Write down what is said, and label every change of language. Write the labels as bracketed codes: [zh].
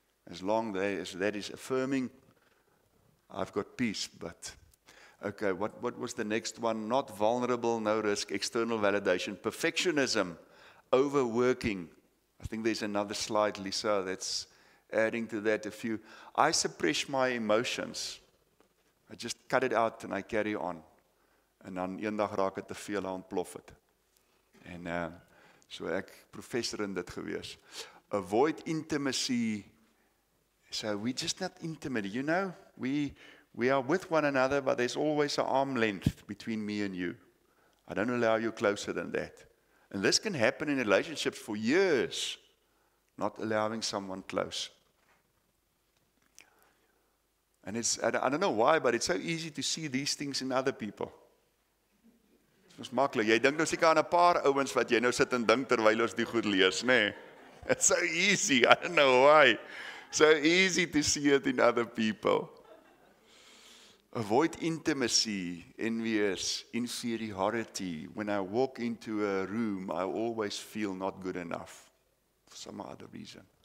[en] As long as that is affirming, I've got peace, but okay, what was the next one? Not vulnerable, no risk, external validation, perfectionism, overworking. I think there's another slide, Lisa, that's adding to that a few. I suppress my emotions. I just cut it out and I carry on. [af] And dan eendag raak dit te veel en ontplof dit. En so ek professor in dit gewees. [en] Avoid intimacy. So we just not intimate, you know? We are with one another, but there's always an arm length between me and you. I don't allow you closer than that. And this can happen in relationships for years, not allowing someone close. And it's, I don't know why, but it's so easy to see these things in other people. It's makkelijk. [af] Jy dink nou seker aan 'n paar ouens wat jy nou sit en dink terwyl ons die goed lees, né? [en] It's so easy. I don't know why. So easy to see it in other people. Avoid intimacy, envious, inferiority. When I walk into a room, I always feel not good enough for some other reason.